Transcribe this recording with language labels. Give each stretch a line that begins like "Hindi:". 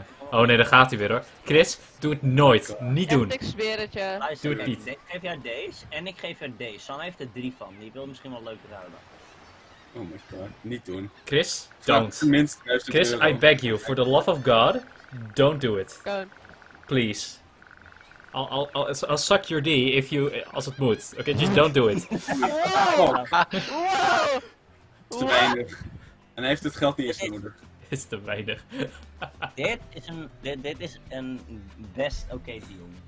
Dutch: Oh nee, daar gaat hij weer hoor. Chris, doe het nooit. Niet doen. Ik zweer het je. Doe het niet. Ik geef jou deze en ik geef jou deze. Sam heeft er 3 van. Die wil misschien wel leuk ruilen. Oh my god, niet doen.
English: Chris, don't. Chris, I beg you, for the love of God, don't do it. Please. I'll suck your D if you,
Dutch: als het moet.
English: Okay, just don't do it.
Dutch: Wow. Te weinig. En hij heeft het geld niet eens nodig. Is te weinig. dit is een best oké deal.